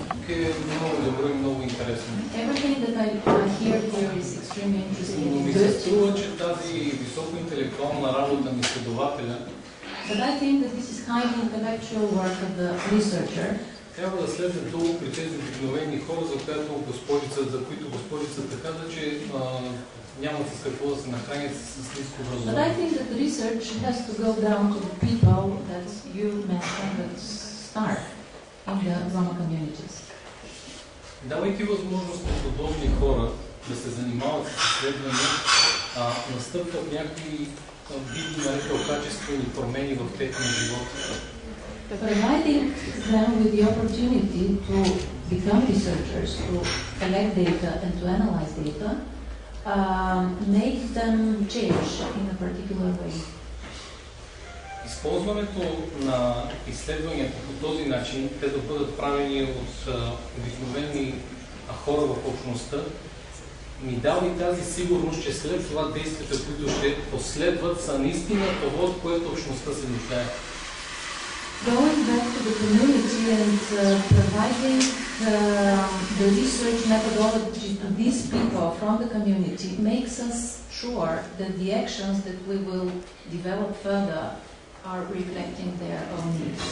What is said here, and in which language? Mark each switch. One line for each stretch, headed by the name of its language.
English: Everything that I hear here is extremely interesting. But I think that this is highly intellectual work of the researcher.
Bulgarian: Трябва да слезе долу при тези обикновени хора, за които господицата каза, че няма с какво да се нахранят с ниско образование.
English: But I think that research has to go down to the people that you mentioned that start in the Roma communities.
Bulgarian: Давайте възможност на подобни хора да се занимават с изследване, настъпват някакви видни, нарекал, качествени промени в техния живот.
English: Providing them with the opportunity to become researchers, to collect data and to analyze data, make them change in a particular way.
Bulgarian: Използването на изследванията по този начин, те да бъдат правени от обикновени хора в общността, ми дава и тази сигурност, че след това действията, които ще последват, са наистина това, от което общността се нуждае.
English: Going back to the community and providing the research methodology to these people from the community makes us sure that the actions that we will develop further are reflecting their own needs.